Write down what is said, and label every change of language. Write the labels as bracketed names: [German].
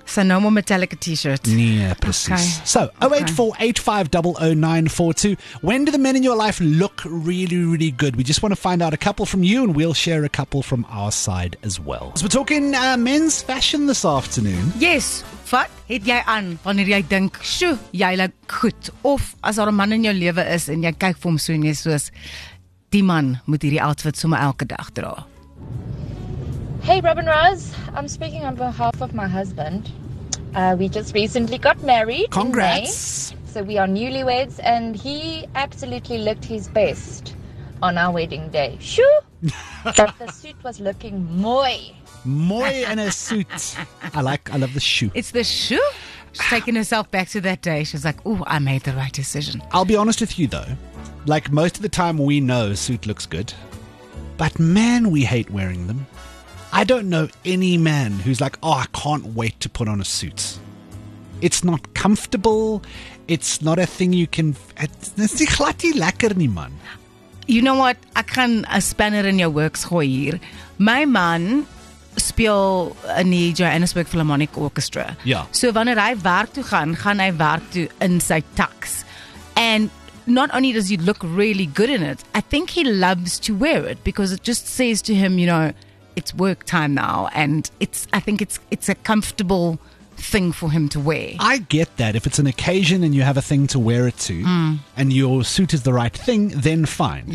[English] So no more Metallica t-shirts. Yeah, precis. Okay. So 084-850-0942. When do the men in your life look really, really good? We just want to find out a couple from you and we'll share a couple from our side as well. So we're talking men's fashion this afternoon. Yes. [Afrikaans] Wat het jy aan wanneer jy dink, "Sjoe, jy lyk goed." Of as daar 'n man in jou lewe is en jy kyk vir hom so en jy's soos, "Die man moet hierdie outfit sommer elke dag dra." [English] Hey Robin Roz, I'm speaking on behalf of my husband. We just recently got married. Congrats. So we are newlyweds and he absolutely looked his best on our wedding day. Shoo! But the suit was looking mooi. Mooi in a suit. I love the shoe. It's the shoe. She's taking herself back to that day. She's like, "Ooh, I made the right decision." I'll be honest with you though. Like most of the time we know suit looks good. But man, we hate wearing them. I don't know any man who's like, "Oh, I can't wait to put on a suit." It's not comfortable. It's not a thing you can... [Afrikaans] It's nie glatty lekker nie, man. [English] You know what? I can spanner in your works gooi hier. [Afrikaans] My man speel in die Johannesburg Philharmonic Orchestra. Ja. So wanneer hy werk toe gaan, gaan hy werk toe in sy tux. [English] And not only does he look really good in it, I think he loves to wear it because it just says to him, you know, it's work time now and I think it's a comfortable thing for him to wear. I get that. If it's an occasion and you have a thing to wear it to and your suit is the right thing, then fine.